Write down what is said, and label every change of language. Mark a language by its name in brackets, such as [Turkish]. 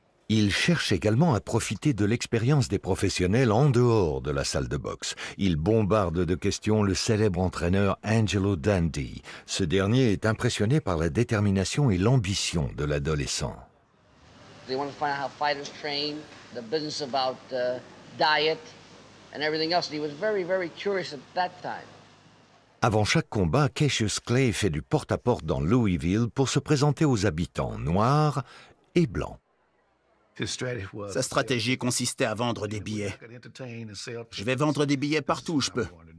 [French] Il cherche également à profiter de l'expérience des professionnels en dehors de la salle de boxe. Il bombarde de questions le célèbre entraîneur Angelo Dundee. Ce dernier est impressionné par la détermination et l'ambition de l'adolescent. [English] They want to find out how fighters train, the business about diet and everything else. And he was very, very curious at that time. [French] Avant chaque combat, Cassius Clay fait du porte-à-porte dans Louisville pour se présenter aux habitants noirs et blancs. Sa stratégie consistait à vendre des billets. Je vais vendre des billets partout où je peux.